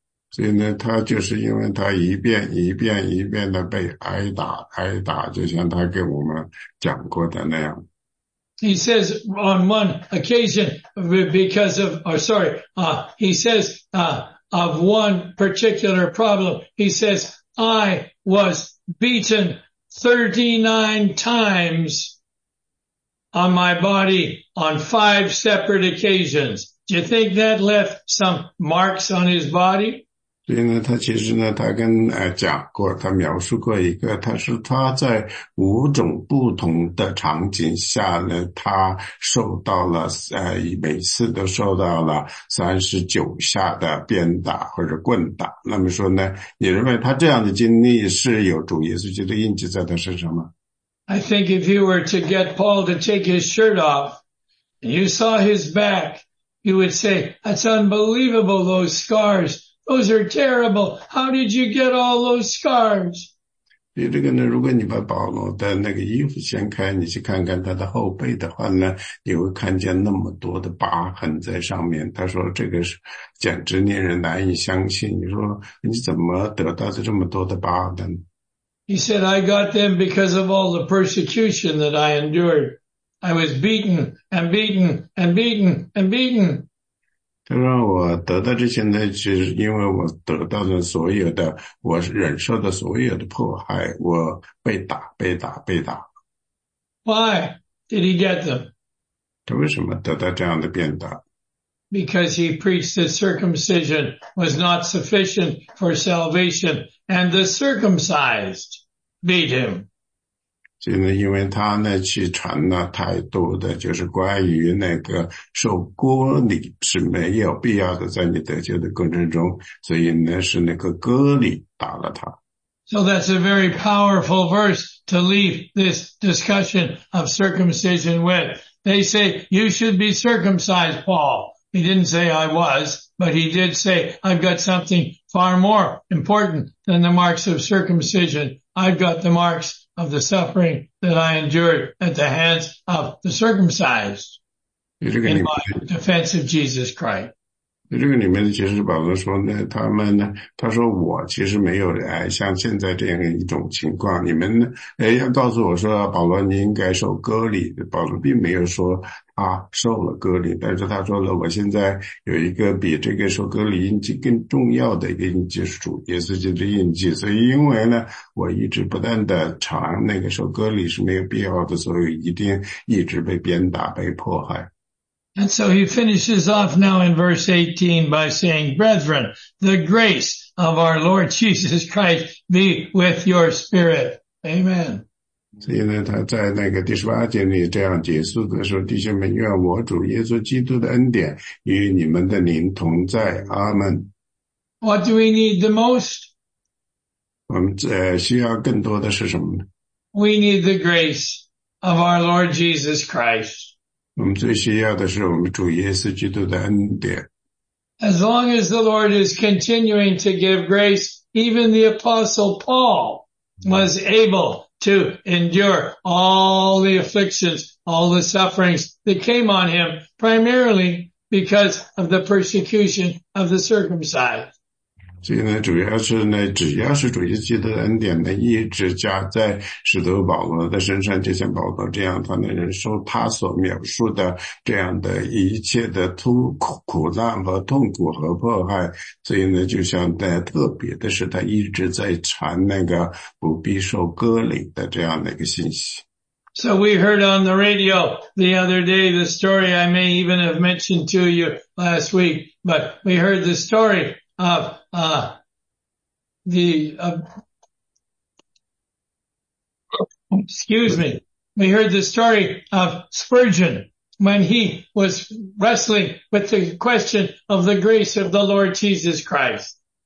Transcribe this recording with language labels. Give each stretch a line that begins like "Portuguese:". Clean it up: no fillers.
Chinese: 所以呢，他就是因为他一遍一遍一遍的被挨打挨打，就像他给我们讲过的那样。
English: He says on one occasion because of, or sorry, he says of one particular problem. He says, "I was beaten 39 times." On my body on 5 separate occasions. Do you think that left some marks on his body?
Chinese: 所以呢，他其实呢，他跟讲过，他描述过一个，他说他在5种不同的场景下呢，他受到了每次都受到了39下的鞭打或者棍打。那么说呢，你认为他这样的经历是有主耶稣基督的印记在他身上吗？
English: I think if you were to get Paul to take his shirt off and you saw his back, you would say, that's unbelievable, those scars. Those are terrible. How did you get all those scars?
Chinese: 这个呢，如果你把保罗的那个衣服掀开，你去看看他的后背的话呢，你会看见那么多的疤痕在上面。他说这个是简直令人难以相信。你说你怎么得到的这么多的疤痕呢？
English: He said, I got them because of all the persecution that I endured. I was beaten and beaten and beaten and beaten.
Chinese: 让我得到这些呢，就是因为我得到的所有的，我忍受的所有的迫害，我被打，被打，被打。
English: Why did he get them?
Chinese: 他为什么得到这样的鞭打？
English: Because he preached that circumcision was not sufficient for salvation, and the circumcised beat him.
Chinese: 就是因为他呢，去传了太多的，就是关于那个受割礼是没有必要的，在你得救的过程中，所以呢，是那个割礼打了他。
English: So that's a very powerful verse to leave this discussion of circumcision with. They say, you should be circumcised, Paul. He didn't say I was, but he did say, I've got something far more important than the marks of circumcision. I've got the marks of the suffering that I endured at the hands of the circumcised in my defense of Jesus Christ.
Chinese: 这个里面其实保罗说呢，他们呢，他说我其实没有哎，像现在这样一种情况，你们呢，哎，要告诉我说，保罗你应该受割礼。保罗并没有说他受了割礼，但是他说了，我现在有一个比这个受割礼印记更重要的一个印记，是主耶稣基督的印记。所以，因为呢，我一直不断的尝那个受割礼是没有必要的，所以一定一直被鞭打、被迫害。
English: And so he finishes off now in verse 18 by saying, brethren, the grace of our Lord Jesus Christ be with your spirit. Amen.
Chinese: 所以呢，他在那个第十八节里这样结束的时候，弟兄们，愿我主耶稣基督的恩典与你们的灵同在，阿门。
English: What do we need the most?
Chinese: 我们需要更多的是什么呢？
English: We need the grace of our Lord Jesus Christ.
Chinese: 我们最需要的是我们主耶稣基督的恩典。
English: As long as the Lord is continuing to give grace, even the apostle Paul was able to endure all the afflictions, all the sufferings that came on him, primarily because of the persecution of the circumcised.
Chinese: 所以呢，主要是呢，只要是主耶稣基督的恩典呢，一直加在使徒保罗的身上，就像保罗这样，他能忍受他所描述的这样的一切的苦难和痛苦和迫害。所以呢，就像在特别的是，他一直在传那个不必受割礼的这样的一个信息。
English: So we heard on the radio the other day the story I may even have mentioned to you last week, but we heard the story of we heard the story of Spurgeon when he was wrestling with the question of the grace of the Lord Jesus Christ.